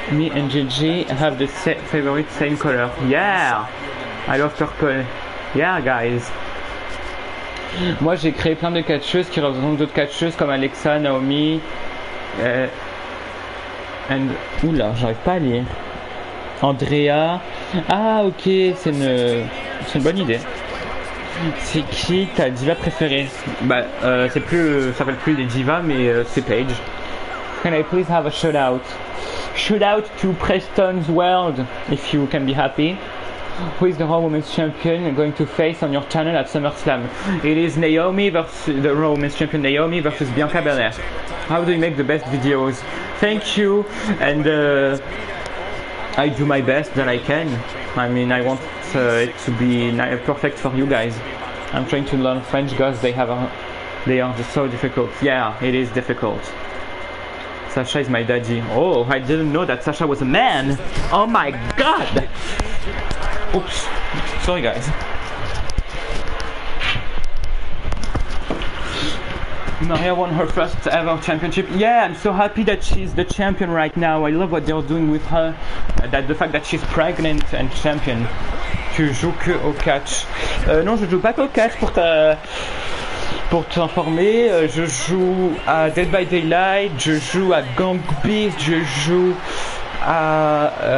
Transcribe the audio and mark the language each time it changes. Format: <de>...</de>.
<en>Me and Gigi have the favorite same color. Yeah, I love purple. Yeah, guys.</en> <fr>Moi, j'ai créé plein de catcheuses qui représentent d'autres catcheuses comme Alexa, Naomi. Oula, j'arrive pas à lire. Andrea. Ah, ok, c'est une bonne idée. C'est qui ta diva préférée? Bah, c'est plus. Ça s'appelle plus les divas, mais c'est Paige.</fr> <en>Can I please have a shout out? Shout out to Preston's World, if you can be happy. Who is the Raw Women's Champion going to face on your channel at SummerSlam? It is Naomi versus the Raw Women's Champion Naomi versus Bianca Belair. How do you make the best videos? Thank you, and I do my best that I can. I mean, I want it to be perfect for you guys. I'm trying to learn French, because they are just so difficult. Yeah, it is difficult. Sasha is my daddy. Oh, I didn't know that Sasha was a man. Oh my God. Oops, sorry guys. Maria won her first ever championship. Yeah, I'm so happy that she's the champion right now. I love what they're doing with her. That the fact that she's pregnant and champion.</en> <fr>Tu joues que au catch? Non, je joue pas qu'au catch pour ta... Pour t'informer, je joue à Dead by Daylight, je joue à Gang Beast, je joue à...</fr>